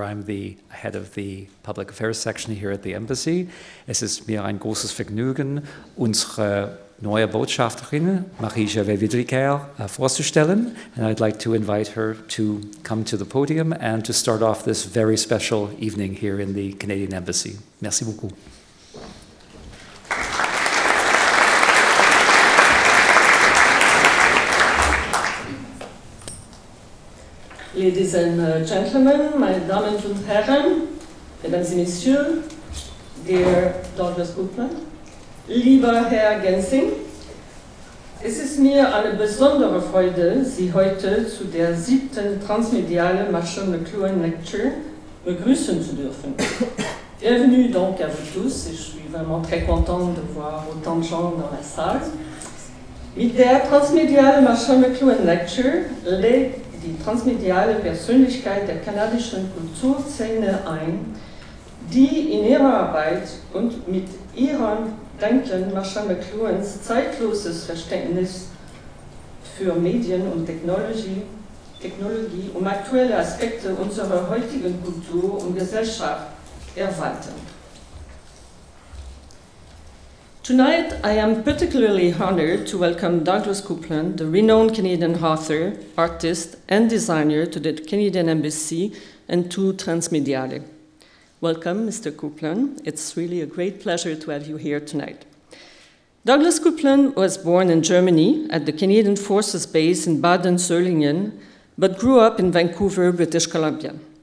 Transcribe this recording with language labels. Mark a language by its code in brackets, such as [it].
[en] I'm the head of the public affairs section here at the embassy. [de] Es ist mir ein großes Vergnügen, unsere neue Botschafterin, Marie-Gervais Widriker, vorzustellen. [en] And I'd like to invite her to come to the podium and to start off this very special evening here in the Canadian embassy. [fr] Merci beaucoup. [en] Ladies and gentlemen, [de] meine Damen und Herren, [fr] Mesdames [de] und [fr] Messieurs, [en] dear [de] Douglas Coupland, lieber Herr Gensing, es ist mir eine besondere Freude, Sie heute zu der 7. transmediale Marshall McLuhan Lecture begrüßen zu dürfen. [fr] Bienvenue donc à vous tous, et je suis vraiment très content de voir autant de gens dans la salle. [de] Mit der transmediale Marshall McLuhan Lecture, die transmediale Persönlichkeit der kanadischen Kulturszene ein, die in ihrer Arbeit und mit ihrem Denken Marshall McLuhans zeitloses Verständnis für Medien und Technologie um aktuelle Aspekte unserer heutigen Kultur und Gesellschaft erweitern. [en] Tonight I am particularly honored to welcome Douglas Coupland, the renowned Canadian author, artist and designer to the Canadian Embassy and to Transmediale. Welcome, Mr. Coupland. It's really a great pleasure to have you here tonight. Douglas Coupland was born in Germany at the Canadian Forces Base in Baden-Solingen, but grew up in Vancouver, British Columbia.